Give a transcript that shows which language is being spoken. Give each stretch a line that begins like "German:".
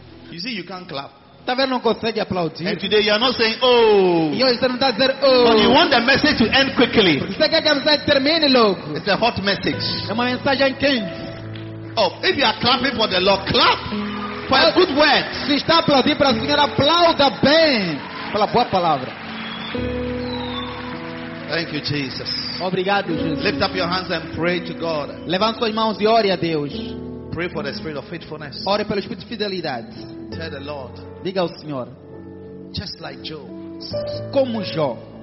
English: You see, you can't clap.
Portuguese: Tá vendo, não consegue aplaudir.
English: And today you are not saying oh.
Portuguese: E hoje você não está dizendo oh.
English: But you want the message to end quickly.
Portuguese: Você quer que a mensagem termine logo.
English: It's a hot message.
Portuguese: É uma mensagem quente.
English: Oh, if you are clapping for the Lord, clap for a good word.
Portuguese: Se está aplaudindo para o Senhor, aplauda bem pela boa palavra.
English: Thank you, Jesus.
Portuguese: Obrigado, Jesus.
English: Lift up your hands and pray to God.
Portuguese: Levanta suas mãos e ore a Deus.
English: Pray for the spirit of faithfulness.
Portuguese: Ore pelo espírito de fidelidade.
English: Tell the Lord.
Portuguese: Diga ao Senhor.
English: Just like Job.
Portuguese: Como Jó.